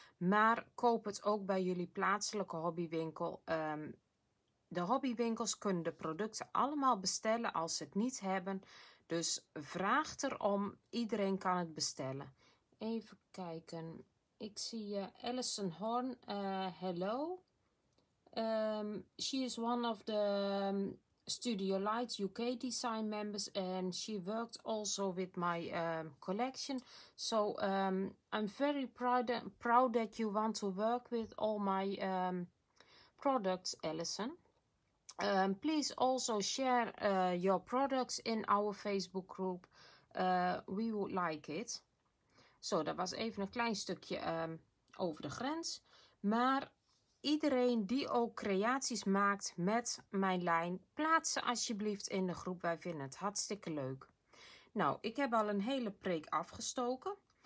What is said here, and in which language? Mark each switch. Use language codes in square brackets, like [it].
[nl] Maar koop het ook bij jullie plaatselijke hobbywinkel. De hobbywinkels kunnen de producten allemaal bestellen als ze het niet hebben. Dus vraag erom, iedereen kan het bestellen. Even kijken, ik zie Alison Horn, hello. [en] She is one of the Studio Light UK design members and she worked also with my collection. So I'm very proud that you want to work with all my products, Alison. Please also share your products in our Facebook group. We would like it. [nl] Zo, dat was even een klein stukje over de grens. Maar iedereen die ook creaties maakt met mijn lijn, plaats ze alsjeblieft in de groep. Wij vinden het hartstikke leuk. Nou, ik heb al een hele preek afgestoken.